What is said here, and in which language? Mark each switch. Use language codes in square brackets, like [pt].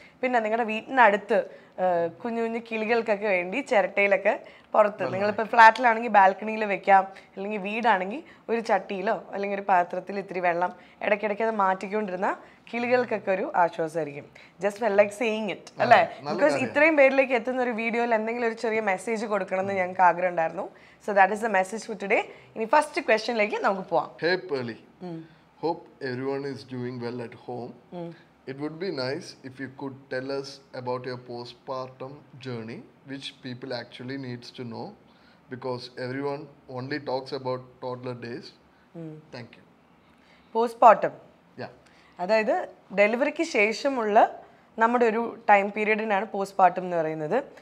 [ml] പിന്നെ നിങ്ങളുടെ വീട്ടിനടുത്ത് കുഞ്ഞു കുഞ്ഞു കിളികൾക്കൊക്കെ വേണ്ടി ചിരട്ടയിലൊക്കെ പുറത്ത്, നിങ്ങളിപ്പോൾ ഫ്ലാറ്റിലാണെങ്കിൽ ബാൽക്കണിയിൽ വെക്കാം, അല്ലെങ്കിൽ വീടാണെങ്കിൽ ഒരു ചട്ടിയിലോ അല്ലെങ്കിൽ ഒരു പാത്രത്തിൽ ഇത്തിരി വെള്ളം ഇടയ്ക്കിടയ്ക്ക് അത് മാറ്റിക്കൊണ്ടിരുന്നാൽ കിളികൾക്കൊക്കെ ഒരു ആശ്വാസമായിരിക്കും. [en] just felt like saying it [ml] അല്ലേ, ബിക്കോസ് ഇത്രയും പേരിലേക്ക് എത്തുന്ന ഒരു വീഡിയോയിൽ എന്തെങ്കിലും ഒരു ചെറിയ മെസ്സേജ് കൊടുക്കണം എന്ന് ഞങ്ങൾക്ക് ആഗ്രഹം ഉണ്ടായിരുന്നു. [en] So that is the message for today. [ml] ഇനി ഫസ്റ്റ് ക്വസ്റ്റ്യനിലേക്ക് നമുക്ക് പോവാം. [en] Hey Pearle, hope everyone is doing well at home. It would be nice if you could tell us about your postpartum journey, which people actually needs to know, because everyone only talks about toddler days. Thank you. Postpartum. Yeah. [ml] അതായത് ഡെലിവറിക്ക് ശേഷമുള്ള നമ്മുടെ ഒരു time പീരീഡിനാണ് postpartum എന്ന് പറയുന്നത്.